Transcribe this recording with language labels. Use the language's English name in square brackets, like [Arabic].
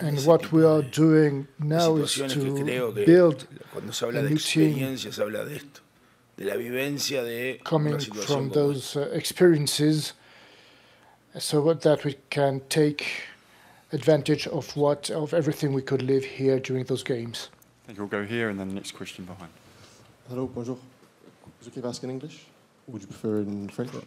[English] And what we are doing now is to build. [Spanish] Cuando se habla de experiencia, se habla de esto, de la vivencia de una situación. [English] Coming from those experiences, so that we can take advantage of what of everything we could live here during those games. I think we'll go here and then the next question behind. Hello, bonjour. Is it okay if I ask in English? Would you prefer in French?